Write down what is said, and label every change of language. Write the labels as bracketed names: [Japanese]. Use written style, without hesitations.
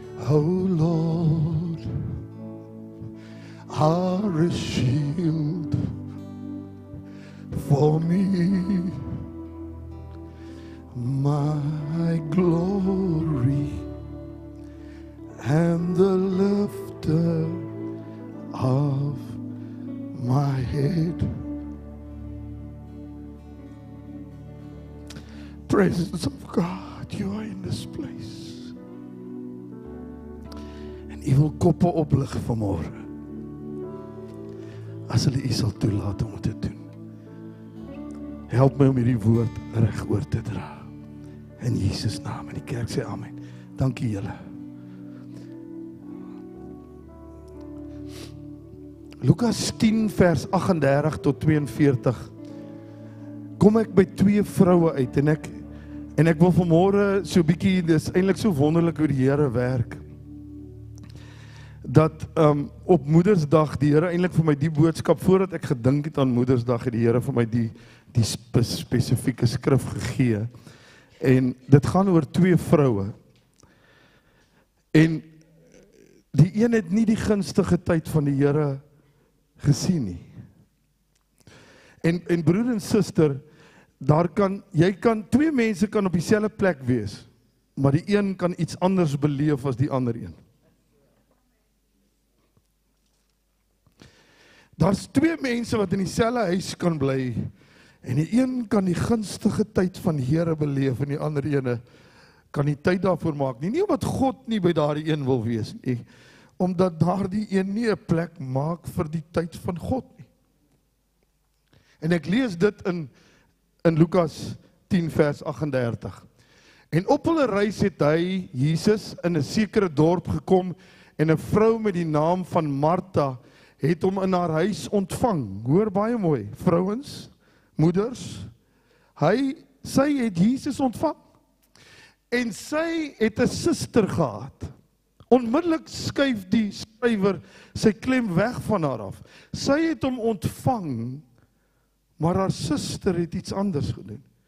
[English] Oh Lord, our shield for me, my glory and the lifter of my head. Presence of God, you are in this place. [Afrikaans] Jy wil koppe oplig vanmorgen as hulle jy sal toelaat om te doen. Help my om hierdie woord reg oor te dra in Jesus naam, en die kerk sê amen. Dankie julle. Lukas 10 vers 38 tot 42 kom ek by twee vroue uit, en ek wil vanmorgen so bietjie, dis eintlik so wonderlik hoe die Here werk, dat op Moedersdag die Here eintlik vir my die boodskap, voordat ek gedink het aan Moedersdag, het die Here vir my die spesifieke skrif gegee, en dit gaan oor twee vroue, en die een het nie die gunstige tyd van die Here gesien nie. En broer en suster, twee mense kan op dieselfde plek wees, maar die een kan iets anders beleef as die ander een. Daar's twee mense wat in dieselfde huis kan bly, en die een kan die gunstige tyd van die Here beleef, en die ander ene kan nie tyd daarvoor maak nie. Nie omdat God nie by daardie een wil wees nie. Omdat daardie een nie 'n plek maak vir die tyd van God nie. En ek lees dit in Lukas 10 vers 38. En op hulle reis het hy, Jesus, in 'n sekere dorp gekom en 'n vrou met die naam van Martha het hom in haar huis ontvang. Hoor baie mooi, vrouens, moeders, sy het Jesus ontvang. En sy het 'n suster gehad. Onmiddellik skuif die skrywer sy klem weg van haar af. Sy het hom ontvang, maar haar suster het iets anders gedoen.